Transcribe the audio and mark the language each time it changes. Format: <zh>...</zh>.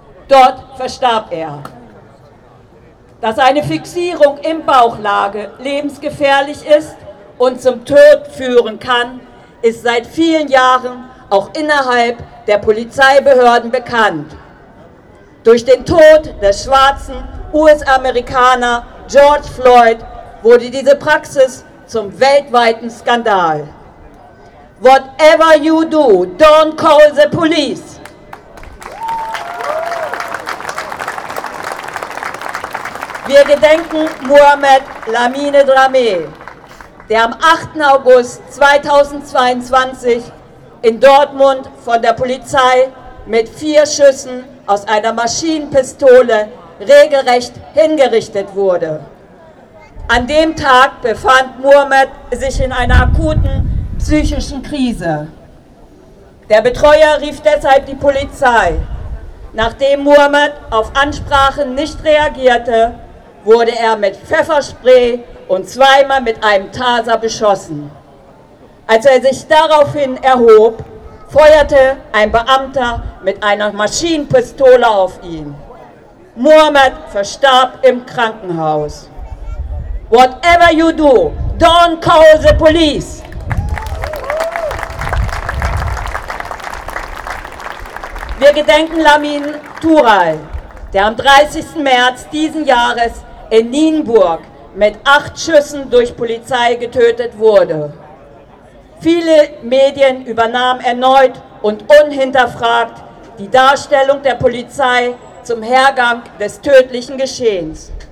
<de>Dort verstarb er. Dass eine Fixierung in Bauchlage lebensgefährlich ist und zum Tod führen kann, ist seit vielen Jahren auch innerhalb der Polizeibehörden bekannt. Durch den Tod des schwarzen US-Amerikaner George Floyd wurde diese Praxis zum weltweiten Skandal.</de> <en>Whatever you do, don't call the police.</en> <de>Wir gedenken Mohamed Lamine Dramé, der am 8. August 2022 in Dortmund von der Polizei mit 4 Schüssen aus einer Maschinenpistole regelrecht hingerichtet wurde. An dem Tag befand Muhammad sich in einer akuten psychischen Krise. Der Betreuer rief deshalb die Polizei. Nachdem Muhammad auf Ansprachen nicht reagierte, wurde er mit Pfefferspray und zweimal mit einem Taser beschossen. Als er sich daraufhin erhob, feuerte ein Beamter mit einer Maschinenpistole auf ihn. Muhammad verstarb im Krankenhaus.</de> <en>Whatever you do, don't call the police.</en> <de>Wir gedenken Lamine Toural, der am 30. März diesen Jahres in Nienburg mit 8 Schüssen durch Polizei getötet wurde. Viele Medien übernahmen erneut und unhinterfragt die Darstellung der Polizei zum Hergang des tödlichen Geschehens.</de>